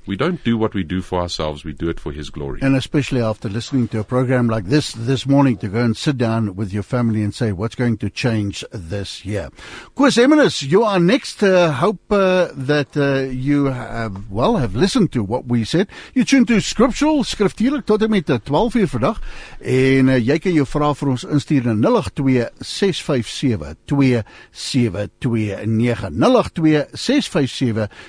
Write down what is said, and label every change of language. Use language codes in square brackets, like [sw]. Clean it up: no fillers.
[en] We don't do what we do for ourselves. We do it for his glory. And especially after listening to a program like this morning, to go and sit down with your family and say, what's going to change this year? Quis Eminis, you are next. Hope that you have, well, have listened to what we said. You tune to Scriptural, [af] Skriftuurlijk, tot en met 12 uur vandag. En jy kan jou vraag vir ons instuur na 082-657-2729. 082-657-2729.